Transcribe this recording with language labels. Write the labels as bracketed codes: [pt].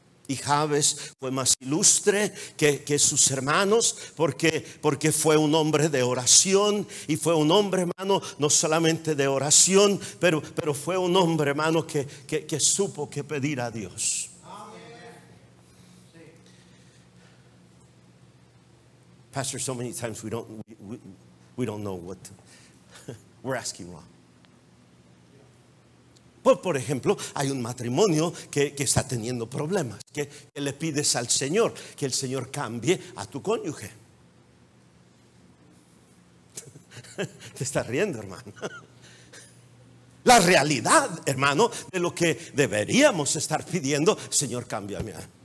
[es] Y Jabes fue más ilustre que sus hermanos porque fue un hombre de oración. Y fue un hombre, hermano, no solamente de oración, pero fue un hombre, hermano, que supo que pedir a Dios. Amen. [en] Pastor, so many times we don't know what to, we're asking wrong. [es] Por ejemplo, hay un matrimonio que está teniendo problemas. Que le pides al Señor que el Señor cambie a tu cónyuge. Te estás riendo, hermano. La realidad, hermano, de lo que deberíamos estar pidiendo: Señor, cámbiame a mí.